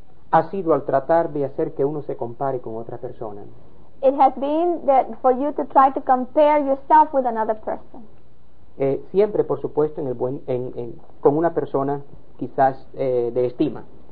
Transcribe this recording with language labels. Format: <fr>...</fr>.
<es>Ha sido al tratar de hacer que uno se compare con otra persona.</es> <en>It has been that for you to try to compare yourself with another person.</en> <es>Siempre, por supuesto, con una persona quizás de estima.</es>